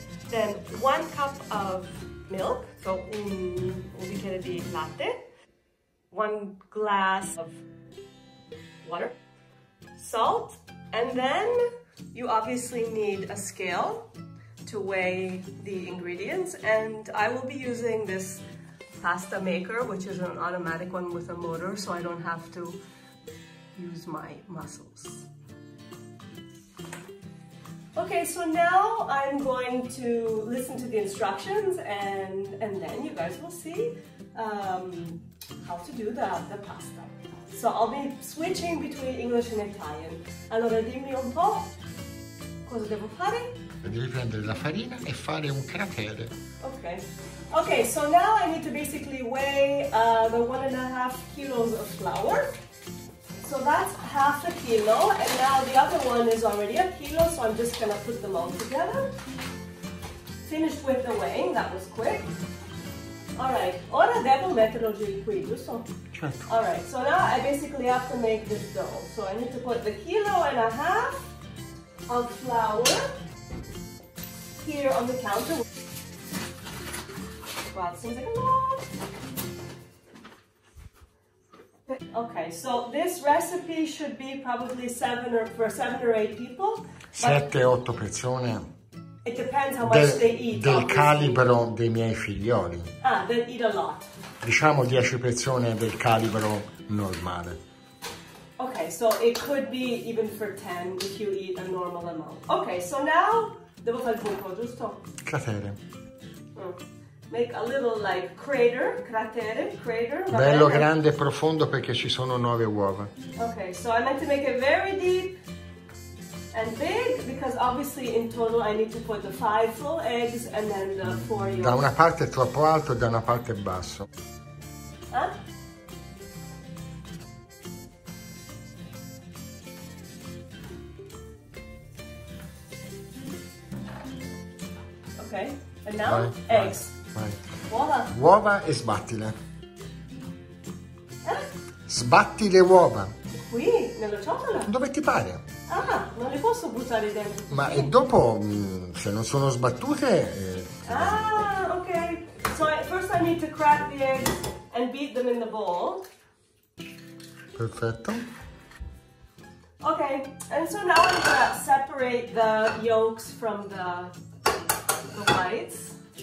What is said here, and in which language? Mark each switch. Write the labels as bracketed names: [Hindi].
[English] Then 1 cup of milk, so [Italian] un bicchiere di latte. [English] 1 glass of water. Salt, and then you obviously need a scale to weigh the ingredients. And I will be using this pasta maker, which is an automatic one with a motor, so I don't have to use my muscles. Okay, so now I'm going to listen to the instructions and then you guys will see how to do the pasta. So I'll be switching between English and Italian. [Italian] Allora dimmi un po' cosa devo fare? Devi prendere la farina e fare un cratere. [English] Okay, so now I need to basically weigh the 1.5 kilos of flour. So that's 1/2 kilo, and now the other one is already 1 kilo, so I'm just gonna put them all together. Finished with the weighing, that was quick. [Italian] Alright, ora devo metterlo giù qui, giusto? Certo. [English] Alright, so now I basically have to make this dough. So I need to put 1.5 kilos of flour here on the counter. Wow, it seems like a lot. Okay, so this recipe should be probably for seven or eight people. [Italian] 7-8 persone. [English] It depends how much they eat. [Italian] Del calibro dei miei figlioli. [English] Ah, they eat a lot. [Italian] Diciamo 10 persone del calibro normale. [English] Okay, so it could be even for 10 if you eat a normal amount. Okay, so now [Italian] devo fare il buco, giusto? Cratere. [English] Make a little like crater, crater. [Italian] Bello, grande e profondo perché ci sono 9 uova. [English] Okay, so I meant to make it very deep and big because obviously in total I need to put 5 full eggs and then 4 yolks. [Italian] Da una parte è troppo alto e da una parte è basso. [English] Okay, and now eggs. [Italian] Uova e sbattile. Sbatti le uova. Qui, nella ciotola? Dove ti pare? Ah, non le posso buttare dentro. Ma e dopo, se non sono sbattute... Ok. [English] So, first I need to crack the eggs and beat them in the bowl. [Italian] Perfetto. [English] Ok, and so now I'm gonna separate the yolks from the whites.